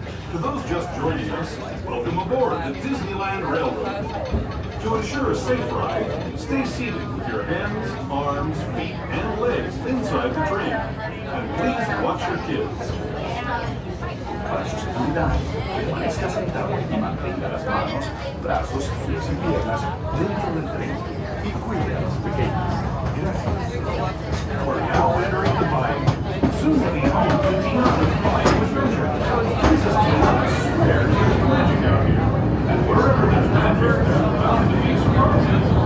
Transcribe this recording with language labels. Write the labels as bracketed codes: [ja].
[en] For those just joining us, welcome aboard the Disneyland Railroad. To ensure a safe ride, stay seated with your hands, arms, feet, and legs inside the train. And please watch your kids. [es] Para su seguridad, permanezca sentado y mantenga las manos, brazos, pies y piernas dentro del tren y cuide a los pequeños. Gracias. [en] We're now entering the bike. Soon to be home to the other bike with Richard. This is Tiana. I swear there's magic out here. And wherever there's magic, there's bound to be surprises.